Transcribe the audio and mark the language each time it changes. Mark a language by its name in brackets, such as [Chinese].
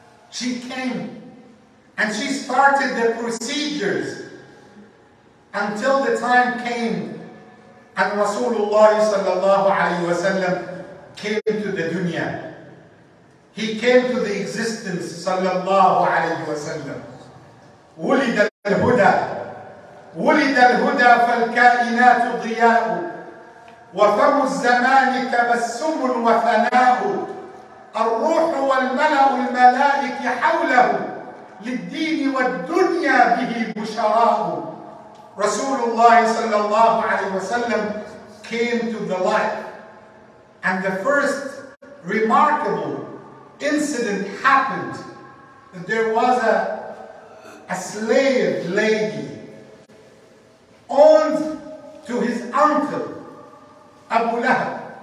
[English] She came and she started the procedures until the time came and Rasulullah sallallahu alayhi wa sallam came to the dunya. He came to the existence sallallahu alayhi wa sallam. [Arabic] ولد الهدى ولد الهدى فالكائنات ضياء وفم الزمان تبسم وثناء الروح والملأ الملائك حوله للدين والدنيا به بشراء. [English] Rasulullah sallallahu alayhi wa sallam came to the light. And the first remarkable incident happened that there was a slave lady owned to his uncle, Abu Lahab.